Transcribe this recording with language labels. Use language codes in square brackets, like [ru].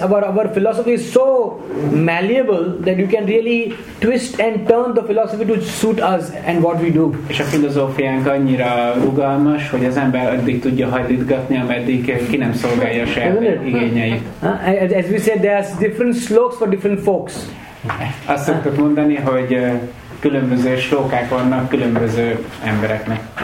[en] Our philosophy is so malleable that you can really twist and turn the philosophy to suit us and what we do. [hu] És a filozófiánk annyira rugalmas, hogy az ember addig tudja hajlítgatni, ameddig ki nem szolgálja saját igényeit. [en] As we said, there are different slokas for different folks. [hu] Azt szoktuk mondani, hogy különböző slókák vannak különböző embereknek.